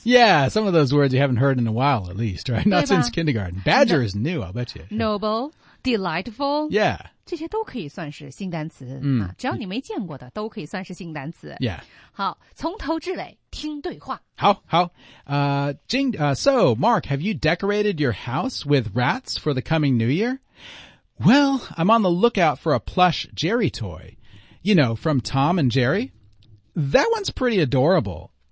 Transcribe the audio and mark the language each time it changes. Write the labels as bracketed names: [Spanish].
[English] Yeah, some of those words you haven't heard in a while at least, right? Not since kindergarten. Badger is new, I'll bet you. Noble, delightful. Yeah. [Chinese] 这些都可以算是新单词、只要你没见过的都可以算是新单词。 [English] Yeah. [Chinese] 好,从头至尾听对话。好,好。 [English] So, Mark, have you decorated your house with rats for the coming new year? Well, I'm on the lookout for a plush Jerry toy. You know, from Tom and Jerry. That one's pretty adorable.